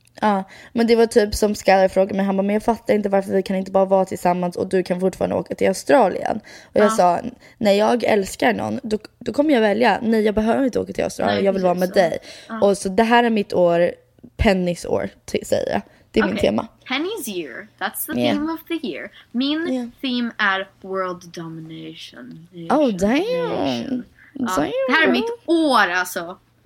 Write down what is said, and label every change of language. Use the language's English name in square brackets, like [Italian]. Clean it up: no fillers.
[Swedish] Ja, men det var typ som Skyler frågade mig. Han bara, men jag fattar inte varför vi kan inte bara vara tillsammans och du kan fortfarande åka till Australien. Och jag sa, när jag älskar någon, då kommer jag välja. Nej, jag behöver inte åka till Australien. Nej, jag vill vara med dig. Ja. Och så det här är mitt år, Penny's år, säger jag. Det är min tema. [English] Penny's year, that's the theme of the year. [Swedish] Min theme är [English] world domination. Oh, damn. [Swedish] Det här är mitt år, alltså.